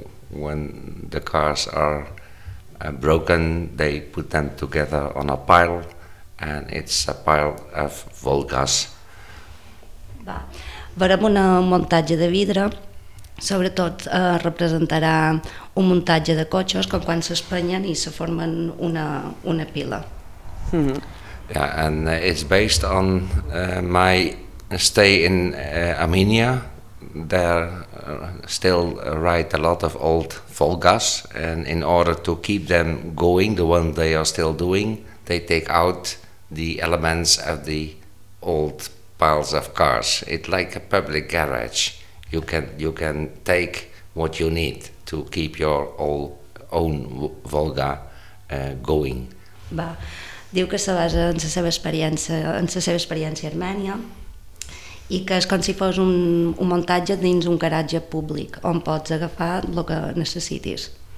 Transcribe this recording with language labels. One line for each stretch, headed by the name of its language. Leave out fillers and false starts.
English: when the cars are broken, they put them together on a pile, and it's a pile of Volgas.
Catalan: Veurem un muntatge de vidre, sobretot representarà un muntatge de cotxes com quan s'espanyen i se formen una pila. Mm-hmm.
English: Yeah, and it's based on my stay in Armenia there still write a lot of old folgas, and in order to keep them going, the one they are still doing, they take out the elements of the old piles of cars. It's like a public garage. You can take what you need to keep your own Volga going.
Catalan: Va, diu que se basa en la seva experiència, a Armènia, i que és com si fos un muntatge dins un garatge públic on pots agafar el que necessitis.